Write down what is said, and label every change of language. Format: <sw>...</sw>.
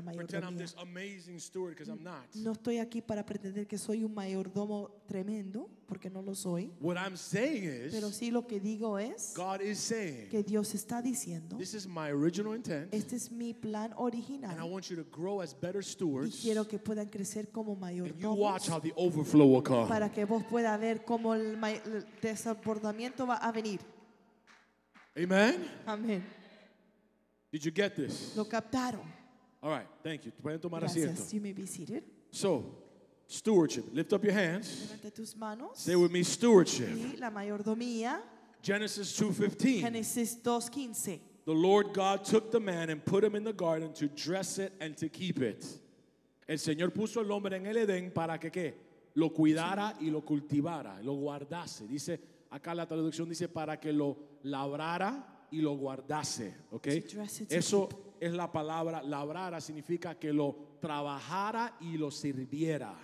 <en>I'm not here to pretend I'm this amazing steward because I'm not.</en> <es>No estoy aquí para pretender que soy un mayordomo tremendo porque no lo soy.</es> <en>What I'm saying is,</en> <es>pero sí lo que digo es,</es> <en>God is saying,</en> <es>que Dios está diciendo,</es> <en>this is my original intent.</en> <es>Este es mi plan original.</es> <en>And I want you to grow as better stewards.</en> <es>Y quiero que puedan crecer como mayordomos.</es> <en>And you watch how the overflow will come.</en> <es>Para que vos puedas ver cómo el desbordamiento va a venir.</es> <en>Amen.</en> <es>Amen.</es> <en>Did you get this?</en> <es>Lo captaron.</es> <en>All right, thank you.</en> <es>Pueden tomar gracias. Asiento.</es> <en>You may be seated. So, stewardship. Lift up your hands.</en> <es>Levanta tus manos.</es> <en>Say with me, stewardship.</en> <es>Y la mayordomía.</es> <en>Genesis 2:15.</en> <es>Génesis 2:15.</es> <en>The Lord God took the man and put him in the garden to dress it and to keep it.</en> <es>El Señor puso al hombre en el Edén para que qué? Lo cuidara y lo cultivara, lo guardase. Dice, acá la traducción dice, para que lo labrara y lo guardase. Okay? Eso es la palabra, labrara significa que lo trabajara y lo sirviera.</es>